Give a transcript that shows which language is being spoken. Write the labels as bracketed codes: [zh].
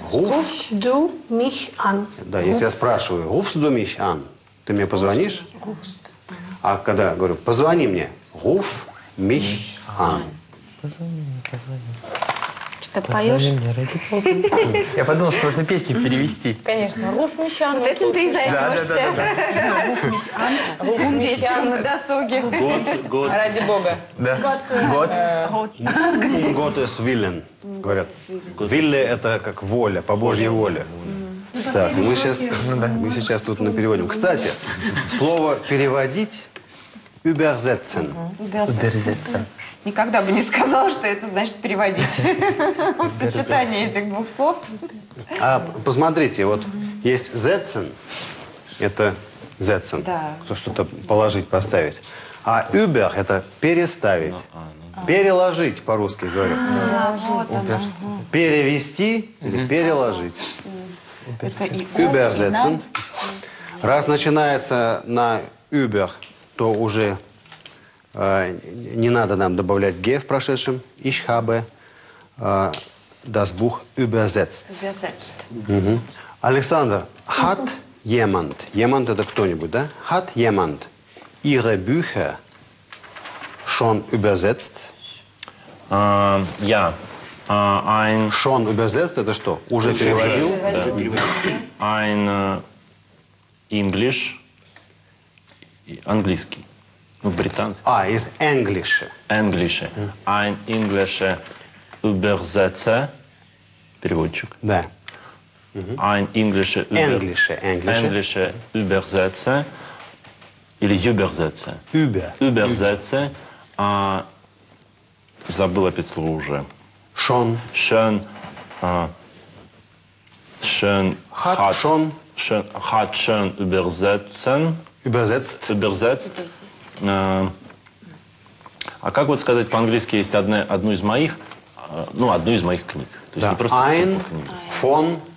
[de] rufst du mich an. [ru] Да, если я спрашиваю, [de] rufst du mich an, [ru] ты мне позвонишь? [de] Rufst. [ru] А когда говорю, позвони мне, [de] ruf mich an. [ru] Позвони, позвони. Что-то поешь? Я подумал, что можно песни перевести. [de] Конечно, ruf mich an. [ru] Вот этим ты и займешься. [de] Ruf mich an [ru] на досуге. Год. Ради бога. Год. [de] Год ist willen. [ru] Говорят, вилле – это как воля, по Божьей воле. Так, мы сейчас тут напереводим. Кстати, слово «переводить» – «übersetzen». [de] «Übersetzen». [ru] Никогда бы не сказала, что это значит «переводить». Сочетание этих двух слов. А посмотрите, вот есть «setzen» – это «setzen», кто что-то положить, поставить. А «über» – это «переставить». Переложить, по-русски говорят. А, вот перевести или переложить. [de] Übersetzen. [ru] Раз начинается на über, то уже не надо нам добавлять ге в прошедшем. [de] Ich habe das Buch übersetzt. Угу. [ru] Александр, [de] hat jemand, jemand [ru] это кто-нибудь, да? [de] Hat jemand ihre Bücher schon übersetzt? [ru] Я. [de] Schon übersetzt, [ru] это что? Уже переводил? [de] Ein English [ru] английский, ну, британский. А, из Englische. [de] Englische. Ein Englische Übersetzer. [ru] Переводчик. Да. [de] Ein Englische Übersetzer. Englische Übersetzer. Или Übersetzer. Über. [ru] Übersetzer. А, забыл опять слово уже. [de] Schon. Schön. Schön. Hat schon. Schön, hat schön übersetzen. Übersetzt. Übersetzt. [ru] А как вот сказать по-английски, есть одну из моих, ну, одну из моих книг. То есть да. Не просто [de] ein von,